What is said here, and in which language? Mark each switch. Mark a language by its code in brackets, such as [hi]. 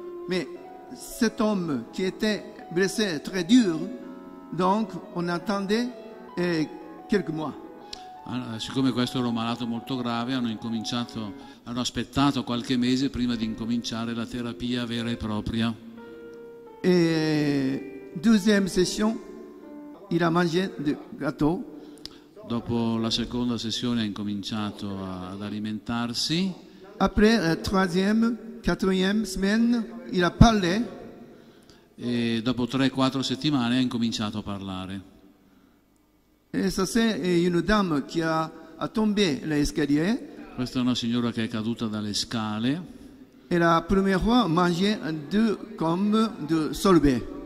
[fr] Mais cet homme qui était blessé très dur, donc on attendait quelques mois. [it] Allora, siccome questo era un malato molto grave, hanno aspettato qualche mese prima di incominciare la terapia vera e propria. [fr] E deuxième session, il a mangé du gâteau. [it] Dopo la seconda sessione ha incominciato ad alimentarsi. [fr] Après la troisième, quatrième semaine, il a parlé. [it] E dopo 3-4 settimane ha incominciato a parlare. [fr] Et ça c'est une dame qui a tombé l'escalier. [it] Questa è una signora che è caduta dalle scale. [fr] Et la première fois mangé deux gommes de sorbet.